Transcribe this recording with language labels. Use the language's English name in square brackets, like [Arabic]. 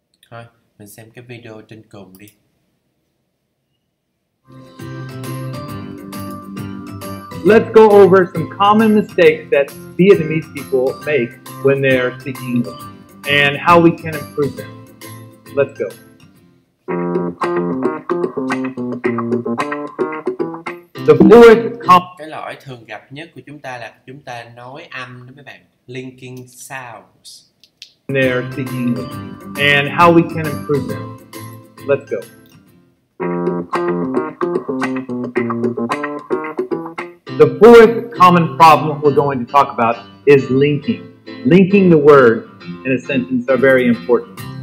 [Vietnamese] Thôi, mình xem cái video trên cùng đi. [English] Let's go over some common mistakes that Vietnamese people make when they're speaking English, and how we can improve them. Let's go. The fourth [Vietnamese] cái lỗi thường gặp nhất của chúng ta là chúng ta nói âm đó mấy bạn, linking sounds. [English] They're speaking English, and how we can improve them. Let's go. The fourth common problem we're going to talk about is linking. Linking the words in a sentence are very important.